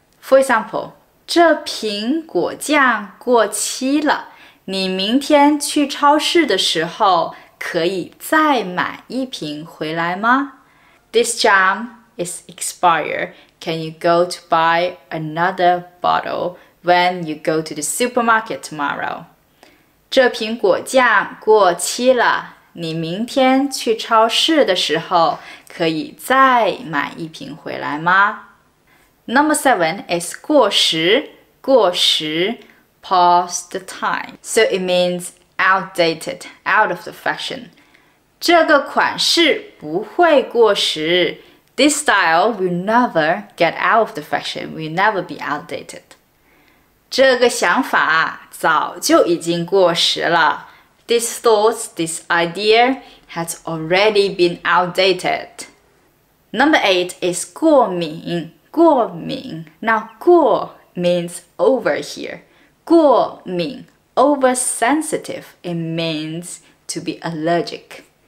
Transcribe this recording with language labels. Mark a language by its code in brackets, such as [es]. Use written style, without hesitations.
[en] For example, [zh] 这苹果酱过期了你明天去超市的时候可以再买一瓶回来吗? [en] This jam is expired. Can you go to buy another bottle when you go to the supermarket tomorrow? [zh] 这苹果酱过期了。你明天去超市的时候可以再买一瓶回来吗? [en] Number seven is 过时。过时 past the time. So it means,outdated, out of the fashion. [zh] 这个款式不会过时。 [en] This style will never get out of the fashion, will never be outdated. [zh] 这个想法早就已经过时了。 [en] This thought, this idea has already been outdated. Number eight is 过敏。过敏。那过 means over here. 过敏 oversensitive, it means to be allergic.